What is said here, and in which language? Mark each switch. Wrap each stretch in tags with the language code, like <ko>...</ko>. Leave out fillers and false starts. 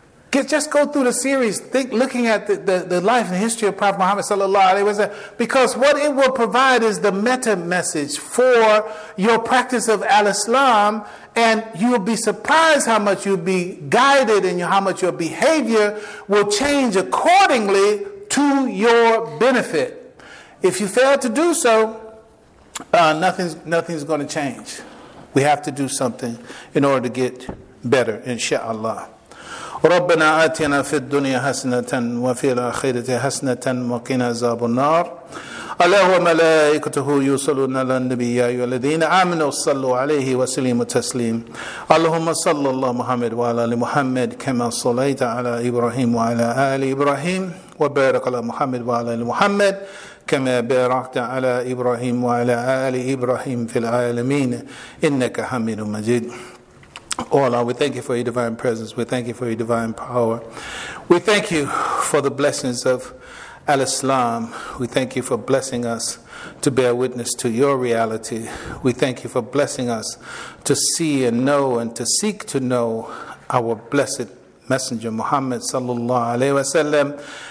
<en>Just go through the series. Think, looking at the life and history of Prophet Muhammad sallallahu alaihi wasallam, because what it will provide is the meta message for your practice of al-Islam, and you'll be surprised how much you'll be guided and how much your behavior will change accordingly to your benefit. If you fail to do so, nothing's going to change. We have to do something in order to get better, inshallah.</en> <ar>ربنا آتنا في الدنيا حسنة وفي الآخرة حسنة وقنا عذاب النار الله وملائكته يصلون على النبي يا الذين آمنوا صلوا عليه وسلموا تسليما اللهم صل الله محمد وعلى آل محمد كما صليت على إبراهيم وعلى آل إبراهيم وبارك على محمد وعلى آل محمد كما باركت على إبراهيم وعلى آل إبراهيم في العالمين إنك حميد مجيد.</ar> <en>Oh Allah, we thank you for your divine presence. We thank you for your divine power. We thank you for the blessings of Al-Islam. We thank you for blessing us to bear witness to your reality. We thank you for blessing us to see and know and to seek to know our blessed messenger Muhammad sallallahu alaihi wasallam.</en>